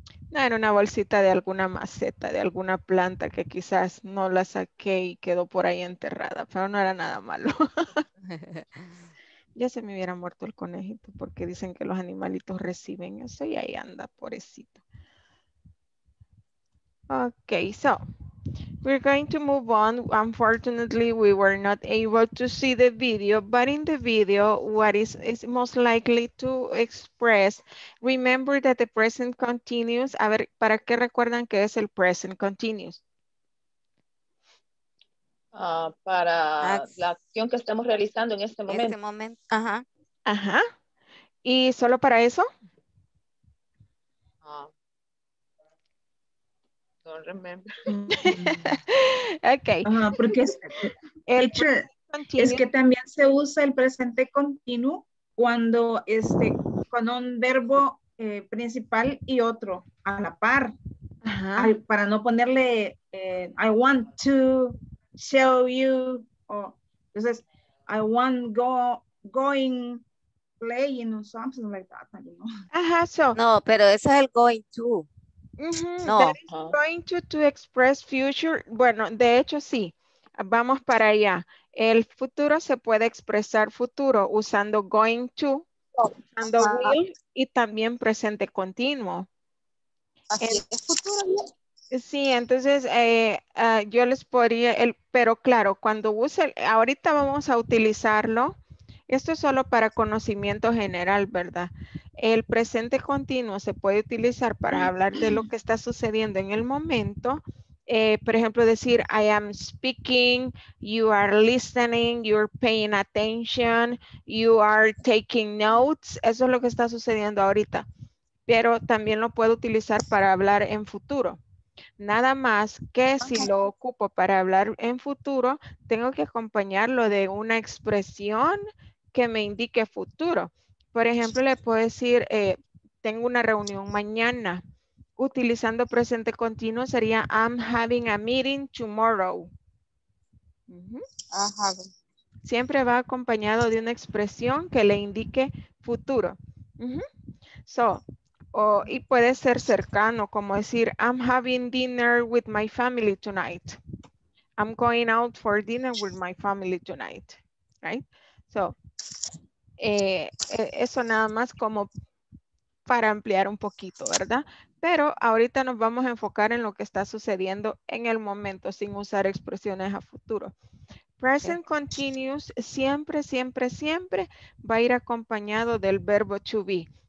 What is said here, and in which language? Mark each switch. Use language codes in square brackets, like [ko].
[es] No, era una bolsita de alguna maceta, de alguna planta que quizás no la saqué y quedó por ahí enterrada, pero no era nada malo. Ya se me hubiera muerto el conejito porque dicen que los animalitos reciben eso y ahí anda, pobrecito. [en] Okay, so we're going to move on. Unfortunately, we were not able to see the video, but in the video, what is most likely to express, remember that the present continuous, [es] a ver, ¿para qué recuerdan que es el [en] present continuous? [es] Para la acción que estamos realizando en este momento. Este momento. Ajá. Ajá. ¿Y solo para eso? [en] Don't remember. Okay. [es] Porque es que también se usa el presente continuo cuando con un verbo principal y otro a la par. Uh-huh. Para no ponerle [en] I want to show you, or [es] entonces [en] I want going playing or something like that. I don't know. Uh-huh, so. [es] No, pero ese es el going to. Mm-hmm. No. [en] That is going to express future. [es] Bueno, de hecho sí, vamos para allá. El futuro se puede expresar futuro usando going to, usando will y también presente continuo. ¿Es futuro? Sí, entonces yo les podría, pero claro, cuando use, ahorita vamos a utilizarlo. Esto es solo para conocimiento general, ¿verdad? El presente continuo se puede utilizar para hablar de lo que está sucediendo en el momento. Por ejemplo, decir, [en] I am speaking, you are listening, you're paying attention, you are taking notes. [es] Eso es lo que está sucediendo ahorita. Pero también lo puedo utilizar para hablar en futuro. Nada más que si lo ocupo para hablar en futuro, tengo que acompañarlo de una expresión que me indique futuro. Por ejemplo, le puedo decir, tengo una reunión mañana. Utilizando presente continuo sería, [en] I'm having a meeting tomorrow. Uh-huh. [es] Siempre va acompañado de una expresión que le indique futuro. [en] Uh-huh. [es] Y puede ser cercano, como decir, [en] I'm having dinner with my family tonight. I'm going out for dinner with my family tonight. Right? [es] Eso nada más como para ampliar un poquito, ¿verdad? Pero ahorita nos vamos a enfocar en lo que está sucediendo en el momento sin usar expresiones a futuro. Present continuous siempre, siempre, siempre va a ir acompañado del verbo to be.